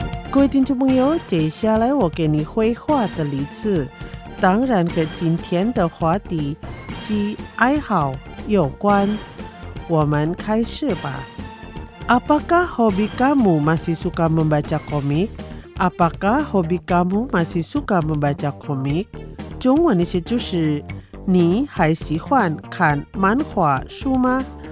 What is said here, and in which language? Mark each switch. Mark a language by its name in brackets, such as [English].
[Chinese] 各位听众朋友，接下来我给你绘画的例子，当然和今天的话题及爱好有关。我们开始吧。 [Indonesian] Apakah hobi kamu masih suka membaca komik? Apakah hobi kamu masih suka membaca komik? [Chinese] 中文一些就是你还喜欢看漫画书吗？